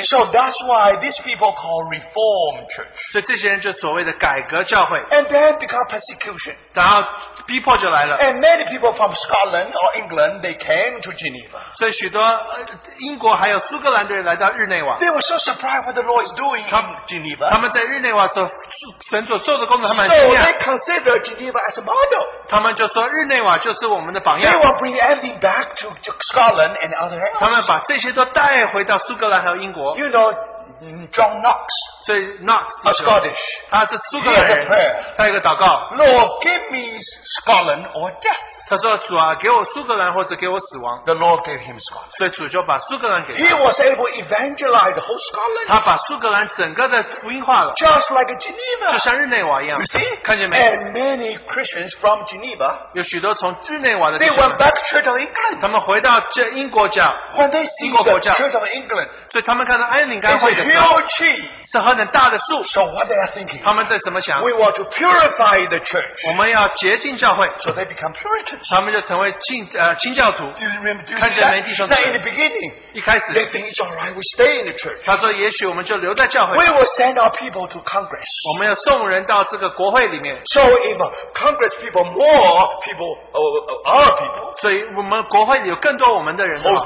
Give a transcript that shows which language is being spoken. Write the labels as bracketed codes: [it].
[en] So that's why these people call reform church. And then become persecution. And many people from Scotland or England, they came to Geneva. [zh] 所以许多英国还有苏格兰的人来到日内瓦。 [en] They were so surprised what the Lord is doing in Geneva. [zh] 他们在日内瓦所神所做的工作还蛮惊讶。 [en] So they consider Geneva as a model. [zh] 他们就说日内瓦就是我们的榜样。 [en] They will bring everything back to Scotland and other areas. [zh] 他们把这些都带回到苏格兰和英国。 [en] You know, John Knox, so Knox, a Scottish, [zh] 他是苏格兰人，他有个祷告， [en] Lord, give me Scotland or death. [zh] 他说：“主啊，给我苏格兰或者给我死亡。” [en] The Lord gave him Scotland. [zh] 所以主就把苏格兰给他。 [en] He was able to evangelize the whole Scotland. [zh] 他把苏格兰整个的福音化了。 [en] Just like Geneva. [zh] 就像日内瓦一样。 [en] You see? [zh] 看见没？ [en] And many Christians from Geneva. [zh] 有许多从日内瓦的。 [en] They went back to Church of England. [zh] 他们回到这英国教。 [en] When they see the Church of England. [zh] 所以他们看到安灵甘会的树。是何等大的树。 [en] So what they are thinking? [zh] 他们在怎么想？ [en] We want to purify the church. [zh] 我们要洁净教会。 [en] So they become pure. [zh] 他们就成为清教徒看见没弟兄们。 [en] In the beginning, [zh] 一开始, [en] they think it's alright, we stay in the church. [zh] 他说也许我们就留在教会。 [en] We will send our people to Congress. [zh] 我们要送人到这个国会里面。 [en] So if Congress people, more people, our people, [zh] 所以我们国会有更多我们的人的话,